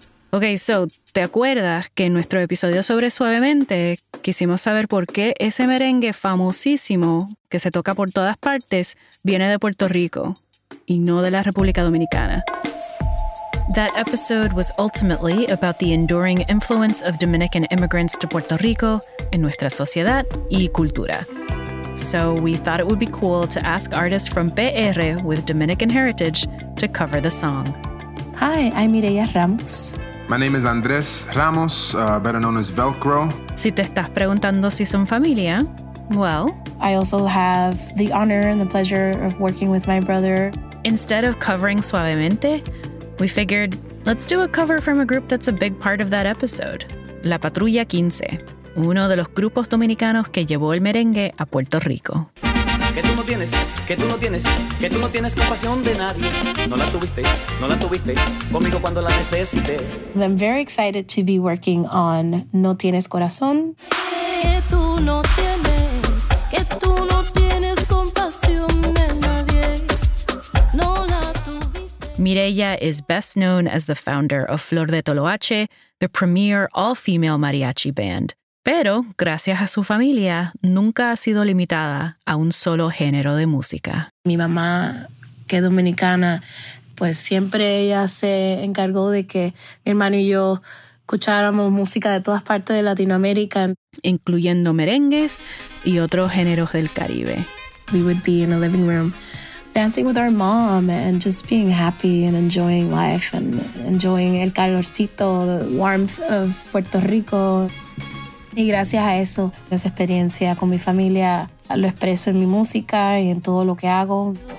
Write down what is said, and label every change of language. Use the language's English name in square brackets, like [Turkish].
[English] Okay, so, [Spanish] ¿te acuerdas que en nuestro episodio sobre Suavemente quisimos saber por qué ese merengue famosísimo que se toca por todas partes viene de Puerto Rico y no de la República Dominicana? [English] That episode was ultimately about the enduring influence of Dominican immigrants to Puerto Rico [Spanish] en nuestra sociedad y cultura. [English] So we thought it would be cool to ask artists from PR with Dominican heritage to cover the song. Hi, I'm Mireya Ramos. My name is Andres Ramos, better known as Velcro. [Spanish] Si te estás preguntando si son familia, well... [English] I also have the honor and the pleasure of working with my brother. Instead of covering Suavemente, we figured, let's do a cover from a group that's a big part of that episode. [Spanish] La Patrulla 15, uno de los grupos dominicanos que llevó el merengue a Puerto Rico. que tú no tienes, que tú no tienes, que tú no tienes compasión de nadie. No la tuviste, no la tuviste conmigo cuando la necesité. [English] I'm very excited to be working on No Tienes Corazón. [Spanish] Que tú no tienes, que tú no tienes compasión de nadie. No la tuviste. [English] Mireya is best known as the founder of Flor de Toloache, the premier all-female mariachi band. [Spanish] Pero, gracias a su familia, nunca ha sido limitada a un solo género de música. Mi mamá, que es dominicana, pues siempre ella se encargó de que mi hermano y yo escucháramos música de todas partes de Latinoamérica. Incluyendo merengues y otros géneros del Caribe. [English] We would be in a living room dancing with our mom and just being happy and enjoying life and enjoying [Spanish] el calorcito, [English] the warmth of Puerto Rico. [Spanish] Y gracias a eso, esa experiencia con mi familia, lo expreso en mi música y en todo lo que hago.